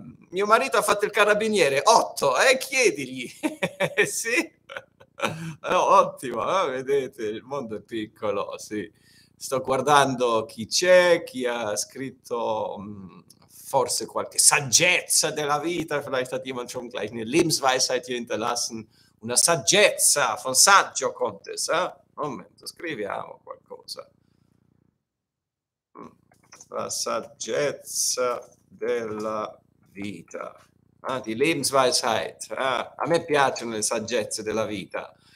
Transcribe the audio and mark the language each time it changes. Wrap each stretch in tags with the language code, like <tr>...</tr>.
<it>Mio marito ha fatto il carabiniere, 8, chiedigli. Sì, ottimo, vedete, il mondo è piccolo, sì. Sto guardando chi c'è, chi ha scritto. Forse qualche saggezza della vita,</it> <de>vielleicht hat jemand schon gleich eine Lebensweisheit hier hinterlassen,</de> <it>una saggezza,</it> <de>von saggio kommt es, eh?</de> <it>Momento, scriviamo qualcosa. La saggezza della vita, di Lebensweisheit, eh? A me piacciono le saggezze della vita.</it>